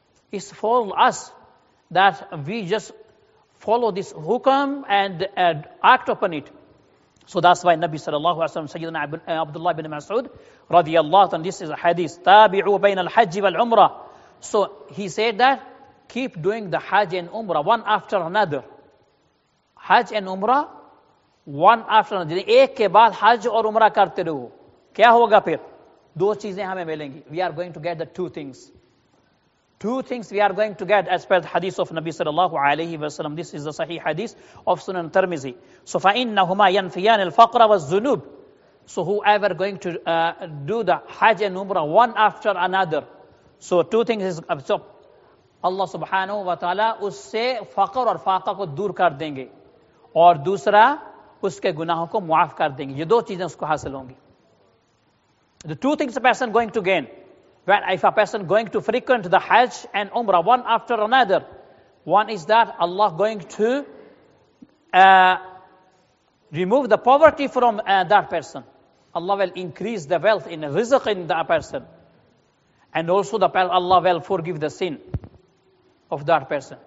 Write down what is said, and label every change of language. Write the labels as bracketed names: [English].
[English] It's for us that we just follow this hukam and act upon it. So that's why Nabi sallallahu alayhi wa sallam, Sayyidina Abdullah ibn Mas'ud, radiyallahu anhu, this is a hadith, [Arabic] تابعوا بين الحج والعمرة. [English] So he said that, keep doing the Hajj and Umrah, one after another. Hajj and Umrah, one after another. [Urdu] ایک کے بعد حج اور عمرہ کرتے رہو. کیا ہوگا پھر؟ دو چیزیں ہمیں ملیں گی. [English] We are going to get the two things. Two things we are going to get as per the hadith of Nabi sallallahu alayhi wa sallam. This is the sahih hadith of Sunan Tirmizi. So, [Arabic] فَإِنَّهُمَا يَنْفِيَانِ الْفَقْرَ وَالزُّنُوبِ. [English] So, whoever going to do the Hajj and Umrah one after another. So, two things is... [Urdu] So, Allah subhanahu wa ta'ala اس سے فقر اور فاقہ کو دور کر دیں گے اور دوسرا اس کے گناہوں کو معاف کر دیں گے. یہ دو چیزیں اس کو حاصل ہوں گی. [English] The two things a person going to gain, when if a person going to frequent the Hajj and Umrah one after another, one is that Allah going to remove the poverty from that person. Allah will increase the wealth in rizq in that person, and also Allah will forgive the sin of that person.